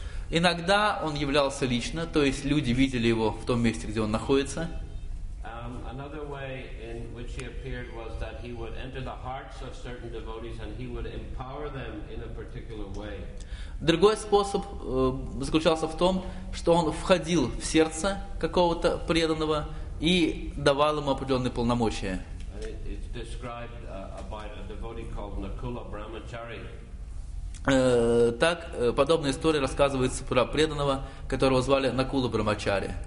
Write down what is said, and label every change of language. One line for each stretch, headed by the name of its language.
Russian: Иногда он являлся лично, то есть люди видели его в том месте, где он находится.
English: Another way in which he appeared was that he would enter the hearts of certain devotees and he would empower them in a particular way.
Russian: Другой способ заключался в том, что он входил в сердце какого-то преданного и давал ему определенные полномочия.
English: It's described by a devotee called Nakula Brahmachari.
Russian: Так подобная история рассказывается про преданного, которого звали Накула Брамачари.